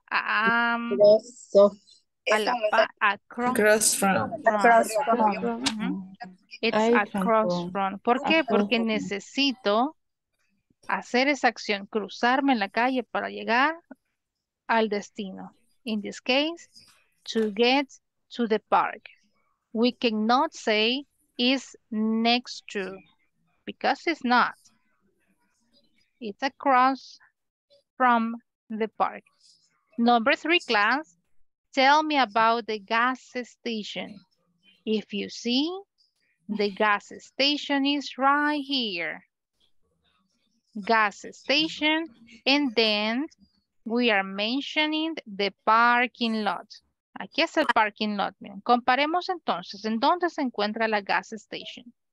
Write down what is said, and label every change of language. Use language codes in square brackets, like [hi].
[en] across from. [es] ¿Por qué? Porque necesito hacer esa acción, cruzarme en la calle para llegar al destino. [en] In this case, to get to the park. We cannot say it's next to, because it's not. It's across from the park. Number three, class, tell me about the gas station. If you see, the gas station is right here. Gas station, and then we are mentioning the parking lot. [es] Aquí es el parking lot. Miren. Comparemos entonces, ¿en dónde se encuentra la gas station?